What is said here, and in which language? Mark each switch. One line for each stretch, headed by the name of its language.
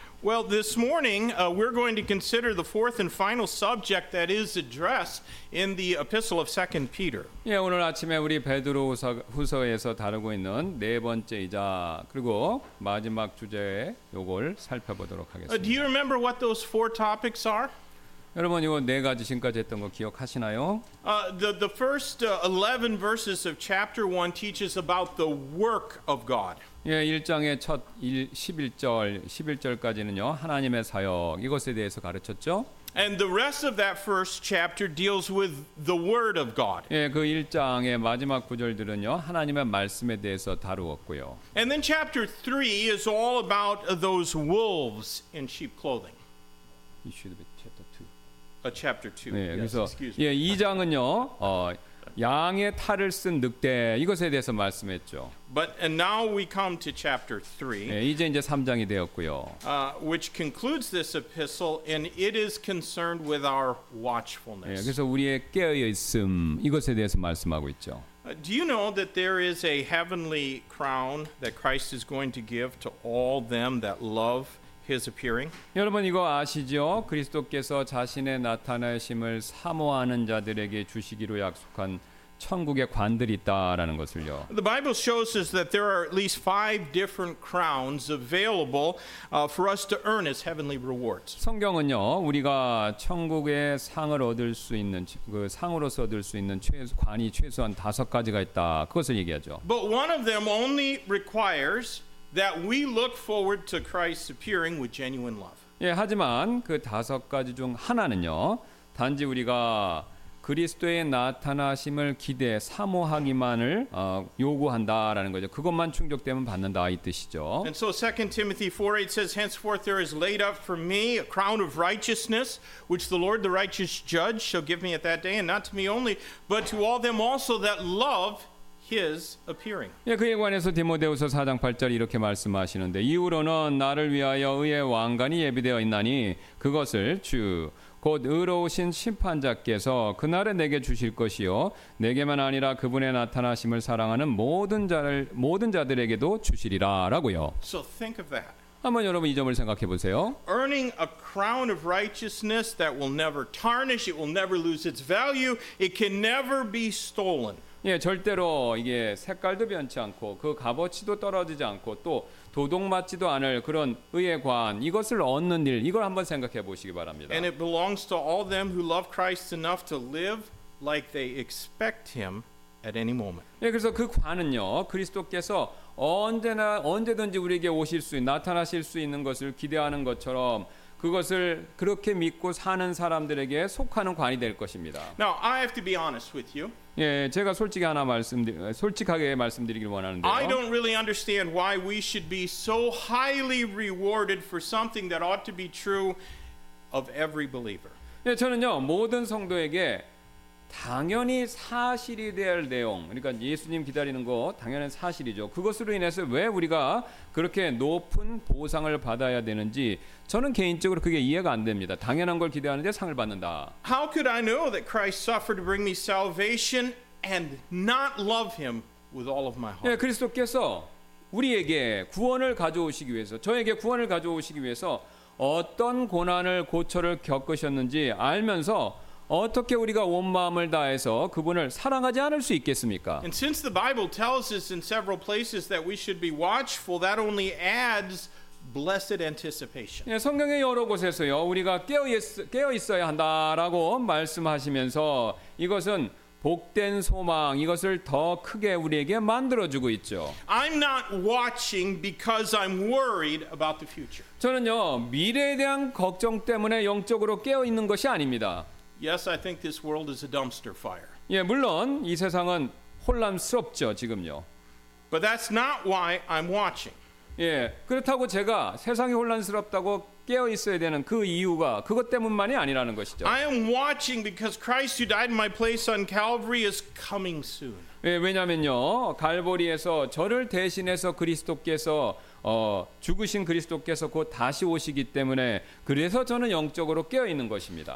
English: Well, this morning we're going to consider the fourth and final subject that is addressed in the epistle of 2 Peter.
Korean: 예, 오늘 아침에 우리 베드로 후서에서 다루고 있는 네 번째이자 그리고 마지막 주제의 요걸 살펴보도록 하겠습니다.
English: Do you remember what those four topics are?
Korean: 여러분 이거 네 가지 지금까지 했던 거 기억하시나요?
English: The first 11 verses of chapter 1 teaches about the work of God.
Korean: 예, 1장의 첫 11절까지는요. 하나님의 사역 이것에 대해서 가르쳤죠.
English: And the rest of that first chapter deals with the word of God.
Korean: 예, 그 1장의 마지막 구절들은요. 하나님의 말씀에 대해서 다루었고요.
English: And then chapter 3 is all about those wolves in sheep clothing. It should be chapter 2. Chapter 2.
Korean: 예, 그래서
English: excuse me.
Korean: 예, 2장은요. 양의 탈을 쓴 늑대 이것에 대해서 말씀했죠.
English: But and now we come to chapter 3.
Korean: 네, 이제 3장이 되었고요.
English: Which concludes this epistle and it is concerned with our watchfulness.
Korean: 네, 그래서 우리의 깨어 있음 이것에 대해서 말씀하고 있죠.
English: Do you know that there is a heavenly crown that Christ is going to give to all them that love his appearing?
Korean: 여러분 이거 아시죠? 그리스도께서 자신의 나타나심을 사모하는 자들에게 주시기로 약속한 천국의 관들이 있다라는 것을요.
English: The Bible shows us that there are at least five different crowns available for us to earn as heavenly rewards.
Korean: 성경은요, 우리가 천국의 상을 얻을 수 있는 그 상으로서 얻을 수 있는 관이 최소한 다섯 가지가 있다. 그것을 얘기하죠.
English: But one of them only requires that we look forward to Christ's appearing with genuine love.
Korean: 예, 하지만 그 다섯 가지 중 하나는요. 단지 우리가 그리스도의 나타나심을 기대 사모하기만을 요구한다라는 거죠. 그것만 충족되면 받는다 이 뜻이죠.
English: And so 2 Timothy 4:8 says henceforth there is laid up for me a crown of righteousness which the Lord the righteous judge shall give me at that day and not to me only but to all them also that love His appearing.
Korean: 예, 그에 관해서 디모데후서 4장 8절 이렇게 말씀하시는데 이후로는 나를 위하여 의의 왕관이 예비되어 있나니 그것을 주 곧 의로우신 심판자께서 그날에 내게 주실 것이요 내게만 아니라 그분의 나타나심을 사랑하는 모든 자들에게도 주시리라라고요.
English: So think of that.
Korean: 한번 여러분 이 점을 생각해 보세요.
English: Earning a crown of righteousness that will never tarnish, it will never lose its value, it can never be stolen.
Korean: 예, 절대로 이게 색깔도 변치 않고 그 값어치도 떨어지지 않고 또 도둑 맞지도 않을 그런 의의 관 이것을 얻는 일 이걸 한번 생각해 보시기 바랍니다.
English: And it belongs to all them who love Christ enough to live like they expect him at any moment.
Korean: 예, 그래서 그 관은요. 그리스도께서 언제나 언제든지 우리에게 오실 수 나타나실 수 있는 것을 기대하는 것처럼 그것을 그렇게 믿고 사는 사람들에게 속하는 관이 될 것입니다.
English: Now, I have to be honest with you.
Korean: 예, 제가 솔직히 하나 솔직하게 말씀드리기를 원하는데요.
English: I don't really understand why we should be so highly rewarded for something that ought to be true of every believer.
Korean: 예, 저는요, 모든 성도에게 당연히 사실이 될 내용, 그러니까 예수님 기다리는 거 당연한 사실이죠. 그것으로 인해서 왜 우리가 그렇게 높은 보상을 받아야 되는지 저는 개인적으로 그게 이해가 안 됩니다. 당연한 걸 기대하는데 상을 받는다.
English: How could I know that Christ suffered to bring me salvation and not love him with all of my heart?
Korean: 예, 그리스도께서 우리에게 구원을 가져오시기 위해서 저에게 구원을 가져오시기 위해서 어떤 고난을 고초를 겪으셨는지 알면서 어떻게 우리가 온 마음을 다해서 그분을 사랑하지 않을 수 있겠습니까?
English: And since the Bible tells us in several places that we should be watchful, that only adds blessed anticipation.
Korean: 예, 성경의 여러 곳에서요. 우리가 깨어 있어야 한다라고 말씀하시면서 이것은 복된 소망 이것을 더 크게 우리에게 만들어 주고 있죠.
English: I'm not watching because I'm worried about the future.
Korean: 저는요. 미래에 대한 걱정 때문에 영적으로 깨어 있는 것이 아닙니다.
English: Yes, I think this world is a dumpster fire.
Korean: 예, 물론 이 세상은 혼란스럽죠, 지금요.
English: But that's not why I'm watching.
Korean: 예, 그렇다고 제가 세상이 혼란스럽다고 깨어 있어야 되는 그 이유가 그것 때문만이 아니라는 것이죠.
English: I am watching because Christ who died in my place on Calvary is coming soon.
Korean: 예, 왜냐면요. 갈보리에서 저를 대신해서 그리스도께서 죽으신 그리스도께서 곧 다시 오시기 때문에 그래서 저는 영적으로 깨어 있는 것입니다.